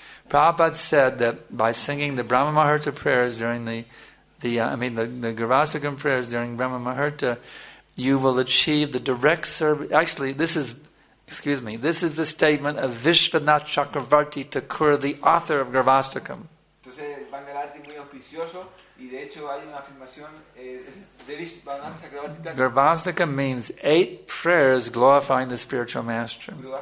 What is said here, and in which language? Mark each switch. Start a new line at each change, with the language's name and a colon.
English: Prabhupada said that by singing the Brahma Maharta prayers during the Garvastakam prayers during Brahma Maharta, you will achieve the direct service. Actually, this is the statement of Vishvanath Chakravarti Thakur, the author of Garvastakam.
Spanish: Entonces, el Mangal Aarti es muy auspicioso, y de hecho hay una afirmación.
English: Garbhastakam means eight prayers glorifying the spiritual master.